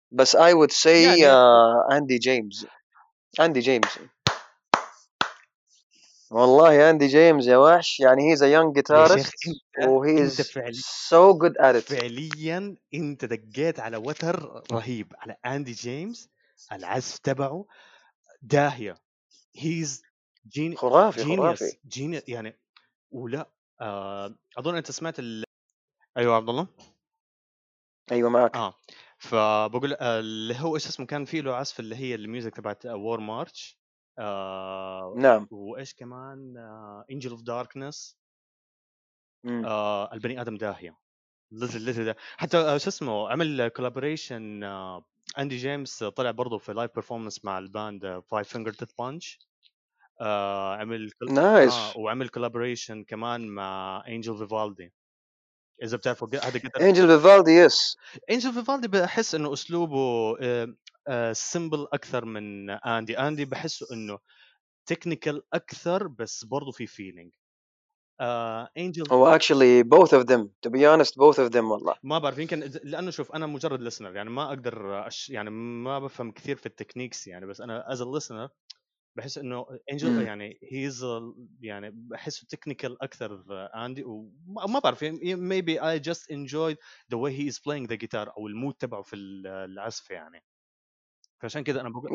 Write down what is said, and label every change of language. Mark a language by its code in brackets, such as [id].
[en] بس I would say Andy James. والله Andy James يا وحش، يعني he's a young guitarist وهي is so good at it. [ar] فعليا انت دقيت على وتر رهيب على Andy James. العزف تبعه داهية. [en] He's genius. [ar] خرافي [en] genius. [ar] خرافي [en] genius يعني. [ar] ولا اظن انت سمعت ايوه عبد الله. ايوه معك. فبقول اللي هو ايش اسمه، كان فيه له عزف اللي هي الميوزك تبعت War March. نعم. وايش كمان؟ Angel of Darkness. البني ادم داهيه لذيذ. حتى ايش اسمه عمل كولابوريشن اندي جيمس، طلع برضه في لايف بيرفورمانس مع الباند Five Finger Death Punch. عمل نايس. وعمل كولابوريشن كمان مع Angel Vivaldi. إذا بتعرفوا هذا قدر إنجل فيفالدي. يس إنجل فيفالدي بحس إنه أسلوبه سيمبل أكثر من أندي. أندي بحسه إنه تكنيكال أكثر، بس برضو في فيلينج. إنجل [en] هو actually both of them to be honest both of them. [ar] والله ما بعرف، يمكن لأنه شوف أنا مجرد لسنر، يعني ما أقدر يعني ما بفهم كثير في التكنيكس يعني، بس أنا [en] as a listener [ar] بحس انه انجل يعني هيز يعني بحسه تكنيكال اكثر اندي. وما بعرف [en] maybe I just enjoyed the way he is playing the guitar [ar] او المود تبعه في العزف يعني، فعشان كذا انا بقول